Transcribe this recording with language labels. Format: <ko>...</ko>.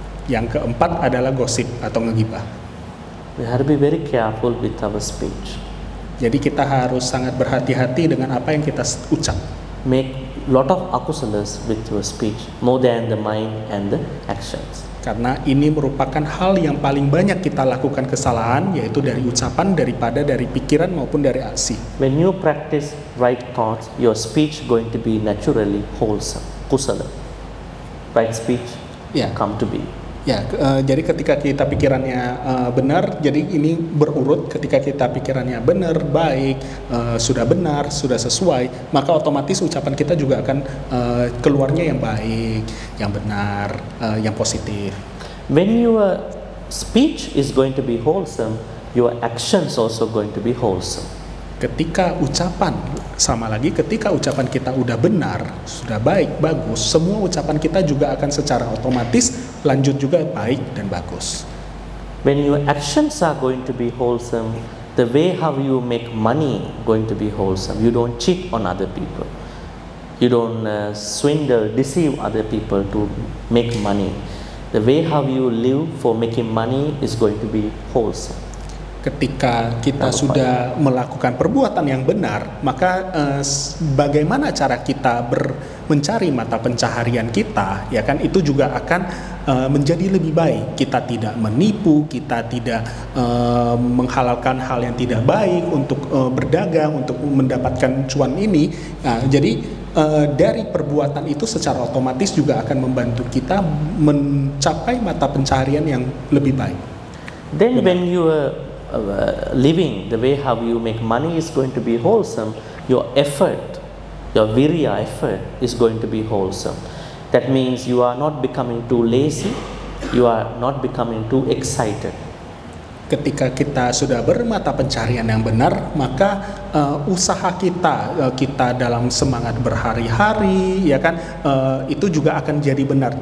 <id>Yang keempat adalah gosip atau ngegibah.</id> <en>We have to be very careful with our speech.</en> <id>Jadi kita harus sangat berhati-hati dengan apa yang kita ucap.</id> <en>Make lot of akusalas with your speech, more than the mind and the actions.</en> <id>Karena ini merupakan hal yang paling banyak kita lakukan kesalahan, yaitu dari ucapan daripada dari pikiran maupun dari aksi.</id> <en>When you practice right thoughts, your speech going to be naturally wholesome, kusala. Right speech come to be.</en> <id>Jadi ketika kita pikirannya benar, jadi ini berurut, ketika kita pikirannya benar, baik, sudah benar, sudah sesuai, maka otomatis ucapan kita juga akan keluarnya yang baik, yang benar, yang positif.</id> <en>When you are speech is going to be wholesome, your actions also going to be wholesome.</en> <id>Ketika ucapan, sama lagi ketika ucapan kita udah benar, sudah baik, bagus, semua ucapan kita juga akan secara otomatis lanjut juga baik dan bagus.</id> <en>When your actions are going to be wholesome, the way how you make money going to be wholesome. You don't cheat on other people. You don't swindle, deceive other people to make money. The way how you live for making money is going to be wholesome.</en> <id>Ketika kita sudah melakukan perbuatan yang benar, maka bagaimana cara kita mencari mata pencaharian kita, ya kan, itu juga akan menjadi lebih baik. Kita tidak menipu, kita tidak menghalalkan hal yang tidak baik untuk berdagang, untuk mendapatkan cuan ini. Nah, jadi dari perbuatan itu secara otomatis juga akan membantu kita mencapai mata pencaharian yang lebih baik.</id> <en>Then when you living the way how you make money is going to be wholesome, your effort, your virya effort is going to be wholesome. That means you are not becoming too lazy, you are not becoming too excited.</en> <id>Ketika kita sudah bermata pencaharian yang benar, maka usaha kita, kita dalam semangat berhari-hari, ya kan, itu juga akan jadi benar.</id>